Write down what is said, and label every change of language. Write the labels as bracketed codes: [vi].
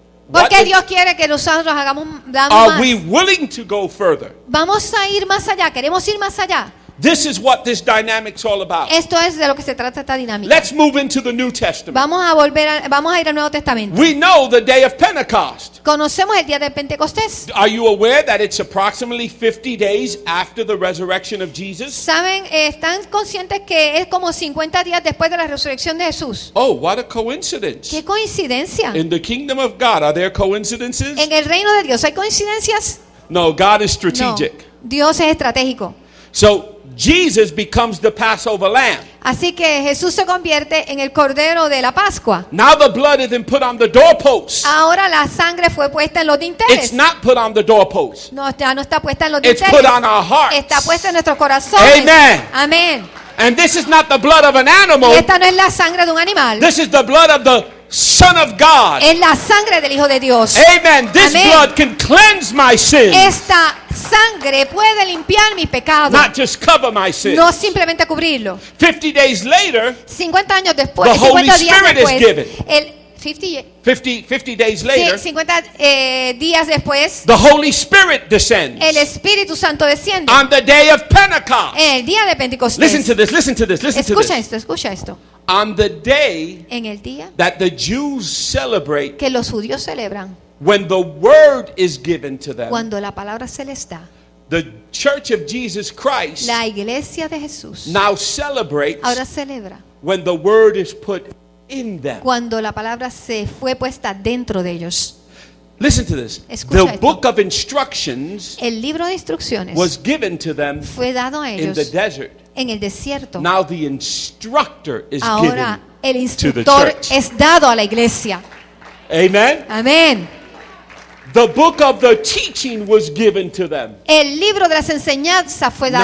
[es] Porque Dios quiere que nosotros hagamos más. [en] Are we willing to go further? [es] Vamos a ir más allá. Queremos ir más allá. [en] This is what this dynamic's all about. [es] Esto es de lo que se trata esta dinámica. [en] Let's move into the New Testament. [es] Vamos a ir al Nuevo Testamento. [en] We know the day of Pentecost. [es] Conocemos el día de Pentecostés. [en] Are you aware that it's approximately 50 days after the resurrection of Jesus? [es] ¿Saben? ¿Están conscientes que es como 50 días después de la resurrección de Jesús? [en] Oh, what a coincidence. [es] ¿Qué coincidencia? [en] In the kingdom of God, are there coincidences? [es] ¿En el reino de Dios hay coincidencias? [en] No, God is strategic. [es] No, Dios es estratégico. [en] So Jesus becomes the Passover lamb. [es] Así que Jesús se convierte en el cordero de la Pascua. [en] Now the blood is put on the doorposts. [es] Ahora la sangre fue puesta en los dinteles. [en] It's not put on the doorposts. [es] No, ya no está puesta en los dinteles. [en] It's put on our hearts. [es] Está puesta en nuestros corazones. [en] Amen. [es] Amen. [en] And this is not the blood of an animal. [es] Y esta no es la sangre de un animal. [en] This is the blood of the Son of God. [es] Es la sangre del Hijo de Dios. [en] Amen. This [es] Amen. [en] Blood can cleanse my sins. [es] Esta sangre puede limpiar mi pecado. [en] Not just cover my sins. [es] No simplemente cubrirlo. [en] 50 days later. [es] 50 años después. [en] The Holy Spirit [es] después, [en] is given. [es] El [en] 50 days later. [es] 50 días después. [en] The Holy Spirit descends. [es] El Espíritu Santo desciende. [en] On the day of Pentecost. [es] En el día de Pentecostés. [en] Listen to this. Listen to this. Listen to this. [es] Escucha esto. Escucha esto. [en] On the day [es] en el día [en] that the Jews celebrate, [es] que los judíos celebran, [en] when the word is given to them, [es] cuando la palabra se les da, [en] the Church of Jesus Christ, [es] la iglesia de Jesús, [en] now celebrates, [es] ahora celebra, [en] when the word is put in them, [es] cuando la palabra se fue puesta dentro de ellos. [en] Listen to this. [es] Escucha [en] the [es] esto. [en] Book of instructions, [es] el libro de instrucciones, [en] was given to them, [es] fue dado a ellos, [en] in the desert. [es] En el desierto. [en] Now the instructor is [es] ahora [en] given [es] el instructor es dado a la iglesia. [en] Amen. [es] Amen. [en] The book of the teaching was given to them. [es] El libro de las enseñanzas fue dado